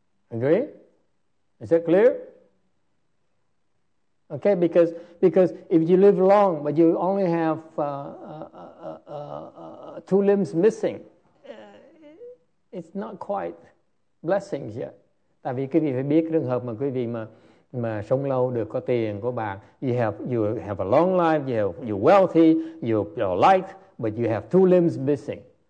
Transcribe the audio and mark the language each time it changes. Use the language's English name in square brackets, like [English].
[English] Agree? Is that clear? Okay, because if you live long but you only have two limbs missing, it's not quite blessings yet. [Vietnamese] Tại vì quý vị phải biết trường hợp mà quý vị mà sống lâu được có tiền, có bạc. [English] You have a long life, you're wealthy, you're light, but you have two limbs missing.